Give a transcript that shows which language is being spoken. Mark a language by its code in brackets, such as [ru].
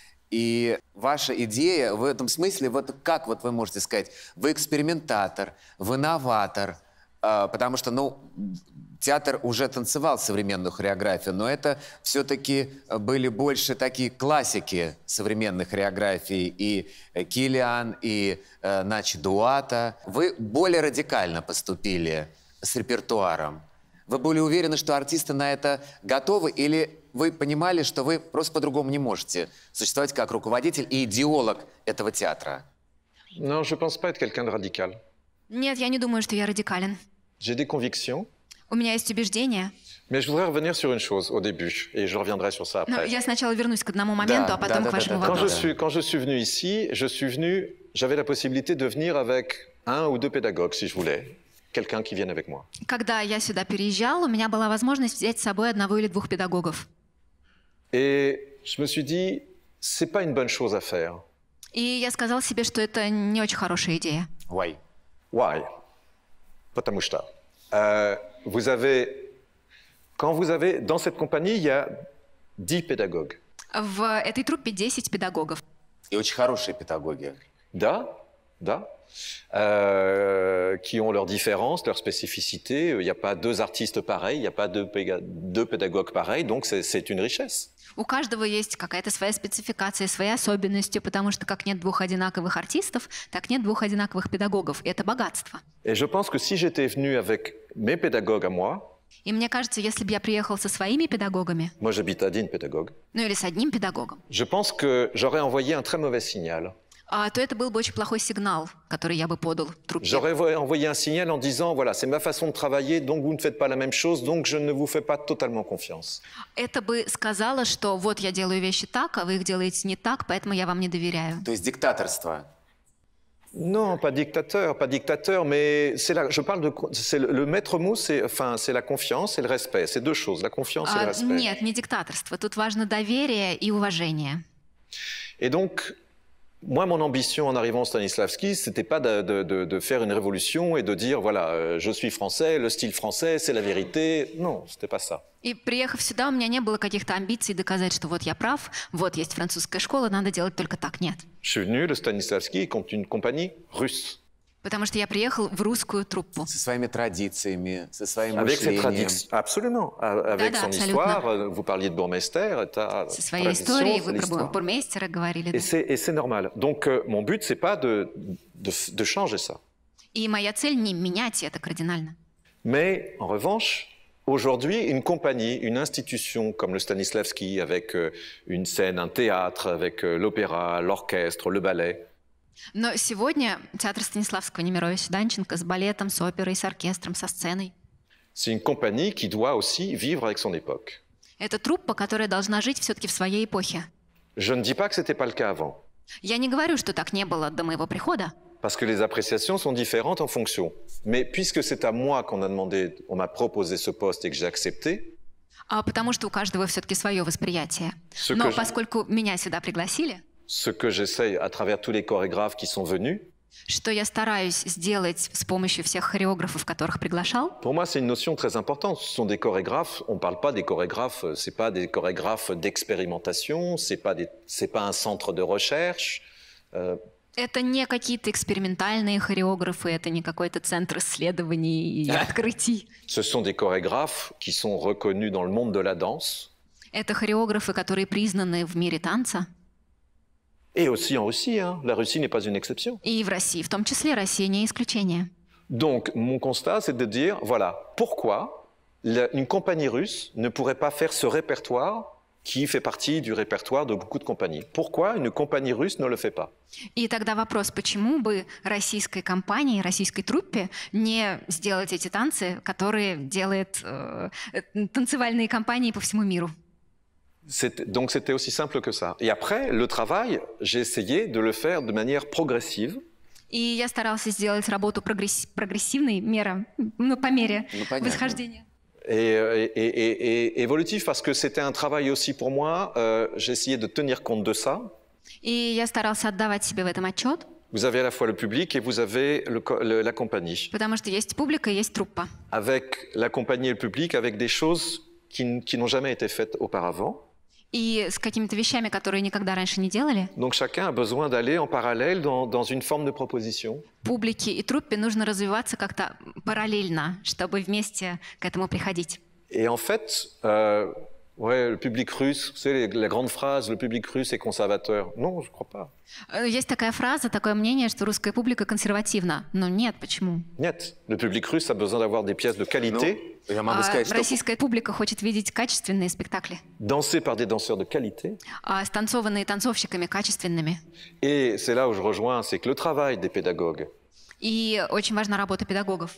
[ru] И ваша идея в этом смысле, вот как вот вы можете сказать, вы экспериментатор, вы новатор, потому что, ну, театр уже танцевал современную хореографию, но это все-таки были больше такие классики современной хореографии и Киллиан, и Нач Дуата. Вы более радикально поступили с репертуаром. Вы были уверены, что артисты на это готовы, или вы понимали, что вы просто по-другому не можете существовать как руководитель и идеолог этого театра? [fr] Non, je pense pas être quelqu'un de radical. [ru] Нет, я не думаю, что я радикален. [fr] J'ai des convictions. [ru] У меня есть убеждения. [fr] Mais je voudrais revenir sur une chose au début, et je reviendrai sur ça après. [ru] я сначала вернусь к одному моменту, да, а потом да, к вашему вопросу. [fr] Quand je suis venu ici, je suis venu, j'avais la possibilité de venir avec un ou deux pédagogues, si je voulais. Quelqu'un qui vient avec moi. [ru] Когда я сюда переезжал, у меня была возможность взять с собой одного или двух педагогов. [fr] Et je me suis dit, c'est pas une bonne chose à faire. [ru] И я сказал себе, что это не очень хорошая идея. [en] Why? Why? [ru] Потому что [fr] vous avez, quand vous avez dans cette compagnie, il y a 10 pédagogues. [ru] В этой труппе 10 педагогов. И очень хорошие педагоги. Да, да. [fr] Qui ont leurs différences, leurs spécificités. Il n'y a pas deux artistes pareils, il n'y a pas deux pédagogues pareils, donc c'est une richesse. [ru] У каждого есть какая-то своя спецификация, свои особенности, потому что как нет двух одинаковых артистов, так нет двух одинаковых педагогов. Это богатство. [fr] Et je pense que si j'étais venu avec mes pédagogues à moi. [ru] И мне кажется, если бы я приехал со своими педагогами. Может быть, один педагог. Ну или с одним педагогом. [fr] Je pense que j'aurais envoyé un très mauvais signal. [ru] То это был бы очень плохой сигнал, который я бы подал труппе. [fr] J'aurais envoyé un signal en disant, voilà, c'est ma façon de travailler, donc vous ne faites pas la même chose, donc je ne vous fais pas totalement confiance. [ru] Это бы сказало, что вот я делаю вещи так, а вы их делаете не так, поэтому я вам не доверяю. То есть диктаторство. [fr] Non, pas dictateur, mais c'est là, je parle de, c'est le maître mot, c'est, enfin, c'est la confiance et le respect, c'est deux choses, la confiance et le respect. [ru] Нет, не диктаторство, тут важно доверие и уважение. [fr] Et donc, moi, mon ambition en arrivant au Stanislavski, c'était pas de faire une révolution et de dire, voilà, je suis français, le style français, c'est la vérité, non, c'était pas ça. [ru] И приехав сюда, у меня не было каких-то амбиций доказать, что вот я прав, вот есть французская школа, надо делать только так, нет. [fr] Je suis venu, le Stanislavski compte une compagnie russe. [ru] Потому что я приехал в русскую труппу. Со своими традициями, со своим мышлением. [fr] Avec ses traditions, absolument. Avec son histoire, vous parliez de Bourgmestère. [ru] Со своей историей, вы про Бурмейстера говорили. [fr] Et c'est normal. Donc, mon but, c'est pas de changer ça. [ru] И моя цель не менять это кардинально. [fr] Mais, en revanche, aujourd'hui, une compagnie, une institution comme le Stanislavski, avec une scène, un théâtre, avec l'opéra, l'orchestre, le ballet. [ru] Но сегодня театр Станиславского, Немировича Данченко, с балетом, с оперой, с оркестром, со сценой. [fr] C'est une compagnie qui doit aussi vivre avec son époque. [ru] Это труппа, которая должна жить все-таки в своей эпохе. [fr] Je ne dis pas que c'était pas le cas avant. [ru] Я не говорю, что так не было до моего прихода. [fr] Parce que les appréciations sont différentes en fonction. Mais puisque c'est à moi qu'on a demandé, on m'a proposé ce poste et que j'ai accepté. [ru] А потому что у каждого все-таки свое восприятие. Но поскольку меня сюда пригласили. [fr] Ce que j'essaie à travers tous les chorégraphes qui sont venus. [ru] Что я стараюсь сделать с помощью всех хореографов, которых приглашал? [fr] Pour moi, c'est une notion très importante. Ce sont des chorégraphes. On ne parle pas des chorégraphes. C'est pas des chorégraphes d'expérimentation. C'est pas un centre de recherche. [ru] Это не какие-то экспериментальные хореографы, это не какой-то центр исследований и открытий. [fr] Ce sont des chorégraphes qui sont reconnus dans le monde de la danse. [ru] Это хореографы, которые признаны в мире танца. [fr] Et aussi en Russie, hein. La Russie n'est pas une exception. [ru] И в России, в том числе, Россия не исключение. [fr] Donc, mon constat, c'est de dire, voilà, pourquoi une compagnie russe ne pourrait pas faire ce répertoire qui fait partie du répertoire de beaucoup de compagnies. Pourquoi une compagnie russe ne le fait pas? [ru] И тогда вопрос, почему бы российской компании, российской труппе не сделать эти танцы, которые делают танцевальные компании по всему миру? [fr] Donc c'était aussi simple que ça. Et après, le travail, j'ai essayé de le faire de manière progressive. [ru] И я старался сделать работу прогрессивной мерой, ну, по мере восхождения. [fr] Et évolutif, parce que c'était un travail aussi pour moi, j'essayais de tenir compte de ça. Et [ru] я старался отдавать себе в этом отчет. [fr] Vous avez à la fois le public et vous avez la compagnie. [ru] Потому что есть публика и есть труппа. [fr] Avec la compagnie et le public, avec des choses qui n'ont jamais été faites auparavant. [ru] И с какими-то вещами, которые никогда раньше не делали. [fr] Donc chacun a besoin d'aller en parallèle dans une forme de proposition. [ru] Публике и труппе нужно развиваться как-то параллельно, чтобы вместе к этому приходить. [fr] Et en fait, ouais, le public russe, vous savez, la grande phrase, le public russe est conservateur. Non, je crois pas. [ru] Есть такая фраза, такое мнение, что русская публика консервативна. Но нет, почему? Нет, [fr] le public russe a besoin d'avoir des pièces de qualité. Non. [ru] Я могу сказать, российская что... публика хочет видеть качественные спектакли. [fr] Dansé par des danseurs de qualité. [ru] Станцованные танцовщиками качественными. [fr] Et c'est là où je rejoins, c'est que le travail des pédagogues. [ru] И очень важна работа педагогов.